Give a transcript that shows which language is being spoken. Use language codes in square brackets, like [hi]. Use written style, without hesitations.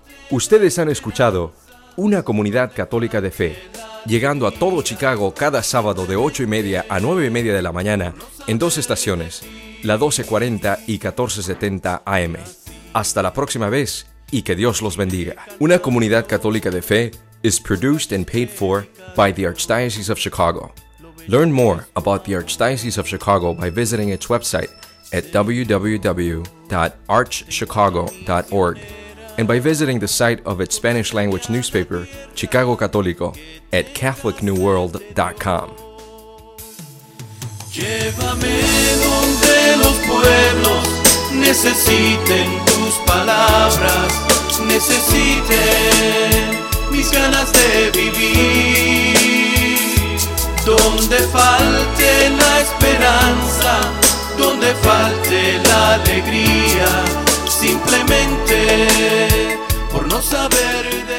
[es] Ustedes han escuchado Una Comunidad Católica de Fe, llegando a todo Chicago cada sábado de 8:30 a 9:30 de la mañana en dos estaciones, la 1240 y 1470 AM. Hasta la próxima vez y que Dios los bendiga. [en] Una Comunidad Católica de Fe is produced and paid for by the Archdiocese of Chicago. Learn more about the Archdiocese of Chicago by visiting its website at www.archchicago.org and by visiting the site of its Spanish language newspaper, Chicago Católico, at catholicnewworld.com. [es] Llévame donde los pueblos. necesiten tus palabras, necesiten mis ganas de vivir. Donde falte la esperanza, donde falte la alegría, simplemente por no saber vivir.